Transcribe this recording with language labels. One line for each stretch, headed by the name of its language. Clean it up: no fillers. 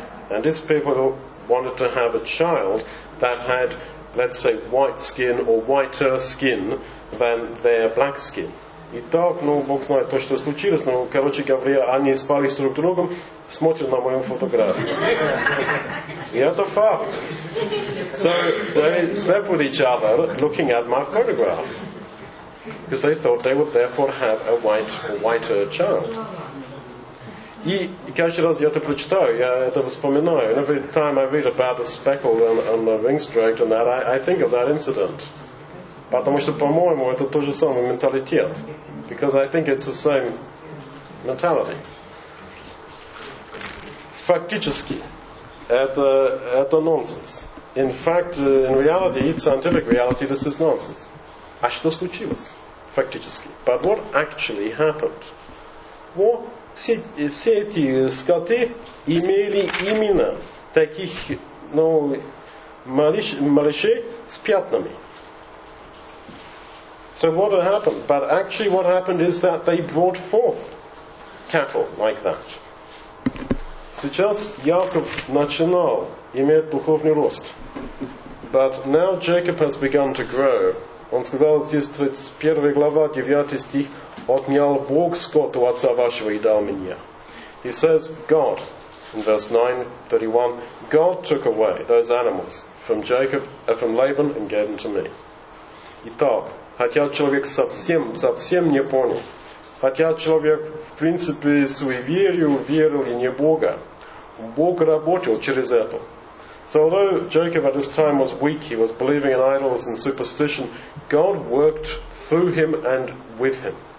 English: And these people wanted to have a child that had, let's say, white skin or whiter skin than their black skin.
Russian: И так, ну, Бог знает то, что случилось, но, короче говоря, они спали с друг другом, смотрят на мою фотографию. И это факт.
English: So, they slept with each other, looking at my photograph. Because they thought they would therefore have a whiter child.
Russian: И каждый раз я это прочитаю, я это вспоминаю.
English: And every time I read about the speckle and the ringstrike and that, I think of that incident.
Russian: Потому что, по-моему, это тот же самый менталитет.
English: Because I think it's the same mentality.
Russian: Фактически, это нонсенс.
English: In fact, in reality, scientific reality, this is nonsense.
Russian: А что случилось? Фактически.
English: But what actually happened?
Russian: Well, все эти скоты имели именно таких, ну, малышей с пятнами.
English: So what happened? But actually what happened is that they brought forth cattle like that.
Russian: Сейчас Яков начинал иметь духовный рост.
English: But now Jacob has begun to grow
Russian: Он сказал здесь 31 глава, 9 стих, «Отнял Бог скот у отца вашего и дал мне».
English: He says, God, in verse 9:31, God took away those animals from Jacob, from Laban, and gave them to me.
Russian: Итак, хотя человек совсем, совсем не понял, хотя человек, в принципе, суеверию верил и не Бога, Бог работал через это.
English: So although Jacob at this time was weak, he was believing in idols and superstition, God worked through him and with him.